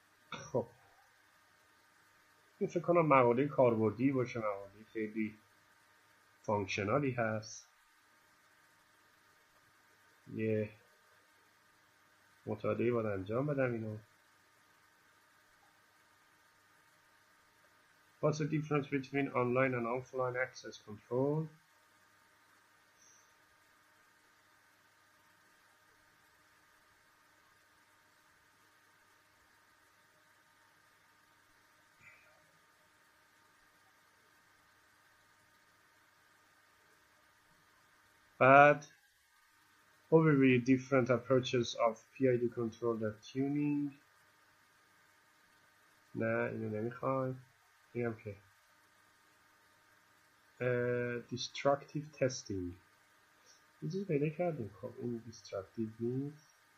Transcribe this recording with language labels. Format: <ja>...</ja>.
<fa>خب این فکر کنم مقاله کاربردی باشه، مقاله خیلی فانکشنالی هست، یه مطالعه باید انجام بدم اینو.</fa> <en>What's the difference between online and offline access control؟</en> <fa>بعد</fa> <en>overview different approaches of PID control that tuning.</en> <fa>نه اینو نمیخوایم. اینم که destructive testing این چیز پیدا کردیم. خب این destructive نیست.</fa>